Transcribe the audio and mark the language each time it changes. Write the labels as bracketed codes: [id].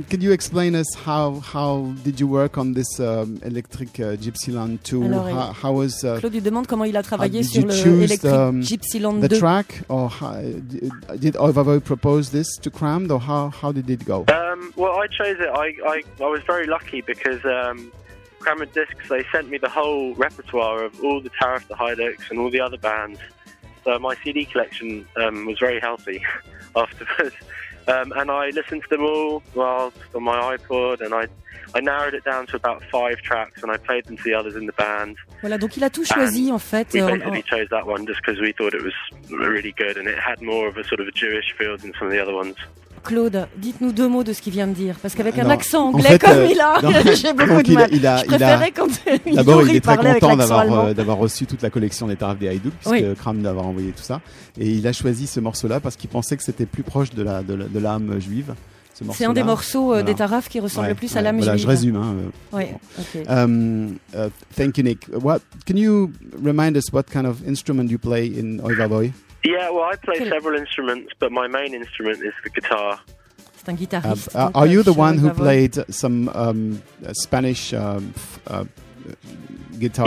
[en] could you explain us how did you work on this electric Gypsyland 2? [fr] Alors, [en] how was [fr] Claude demande comment il a travaillé sur l'électrique Gypsyland 2. [en] The track, or did Oy Vavoy propose this to Crammed, or how did it go? Well, I chose it. I was very lucky because Crammed Discs, they sent me the whole repertoire of all the Taraf de Haïdoux and all the other bands. So my CD collection was very healthy afterwards. And I listened to them all whilst on my iPod, and I narrowed it down to about 5 tracks, and I played them to the others in the band. [fr] Voilà, donc il a tout choisi [en] and [fr] en fait. [en] We basically chose that one just because we thought it was really good, and it had more of a sort of a Jewish feel than some of the other ones. [fr] Claude, dites-nous deux mots de ce qu'il vient de dire, parce qu'avec un accent anglais en fait, comme il a, non, j'ai beaucoup de mal. D'abord, il est très content d'avoir reçu toute la collection des Taraf des Haïdouk, puisque oui. Kram d'avoir envoyé tout ça. Et il a choisi ce morceau-là parce qu'il pensait que c'était plus proche de l'âme juive. Ce morceau-là. C'est un des morceaux voilà. des Taraf qui ressemble le plus à l'âme voilà, juive. Voilà, je résume. Oui. Bon. Okay. [en] Thank you, Nick. What, can you remind us what kind of instrument you play in Oy Vavoy? Yeah, well, I play several instruments, but my main instrument is the guitar. [fr] C'est un guitariste. [en] Are you the one who played some Spanish guitar?